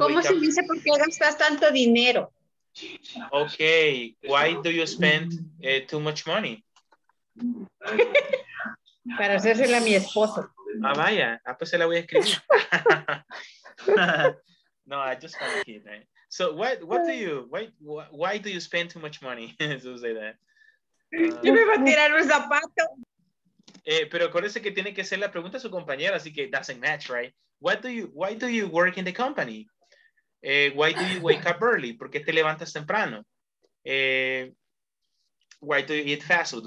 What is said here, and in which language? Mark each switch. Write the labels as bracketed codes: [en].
[es] ¿Cómo se dice por qué gastas tanto dinero? [en] Okay, why do you spend too much money? [es] Para hacérsela a mi esposo. Ah, vaya, pues se la voy a escribir. [en] No, I just got a kid, right? So why do you spend too much money? So say that. [es] Yo me voy a tirar un zapato. Pero acuérdese que tiene que ser la pregunta a su compañero, así que [en] doesn't match, right? Why do you work in the company? Why do you wake up early? [es] ¿Por qué te levantas temprano? [en] Why do you eat fast food?